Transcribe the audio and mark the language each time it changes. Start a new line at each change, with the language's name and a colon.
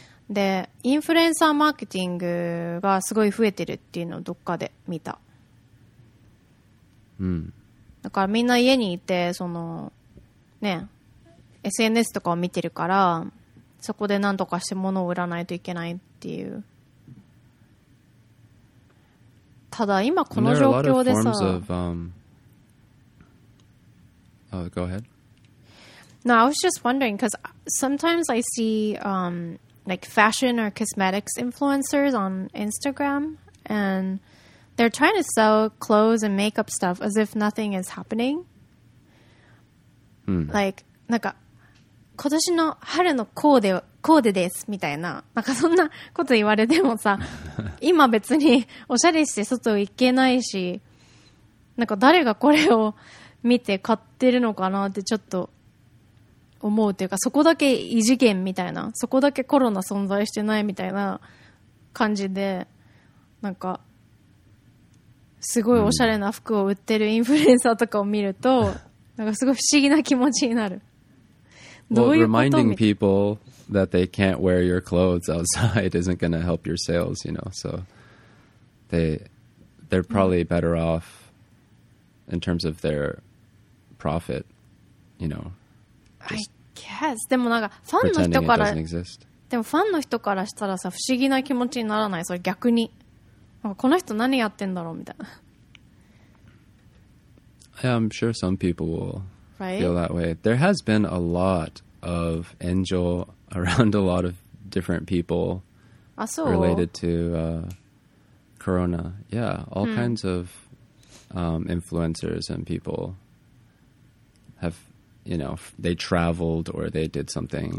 Japanese: でインフルエンサーマーケティングがすごい増えてるっていうのをどっかで見た。うん、だからみんな家にいてそのね SNS とかを見てるから、そこで何とかして物を売らないといけないっていう。ただ今この状況でさ、
English: there are a lot of forms of, go ahead. No, I was just wondering because sometimes I see like fashion or cosmetics influencers on Instagram and they're trying to sell clothes and makeup stuff as if nothing is happening. Like,
Japanese: なんか今年の春のコーデですみたいな、なんかそんなこと言われてもさ、今別におしゃれして外行けないし、なんか誰がこれを見て買ってるのかなってちょっと思うというか、そこだけ異次元みたいな、そこだけコロナ存在してないみたいな感じで、なんかすごいおしゃれな服を売ってるインフルエンサーとかを見るとなんかすごい不思議な気持ちになる。どういうこと？
English: Reminding people that they can't wear your clothes outside isn't going to help your sales, you know, so they're probably better off in terms of their profit, you know. I guess.
Japanese: でもなんかファンの人から、でもファンの人からしたらさ、不思議な気持ちにならない？それ逆に、この人何やってんだろうみたいな。
English: Yeah, I'm sure some people will feel that way. There has been a lot of angel around a lot of different people related to corona. Yeah, all kinds of influencers and people haveYou know, they traveled or they did something.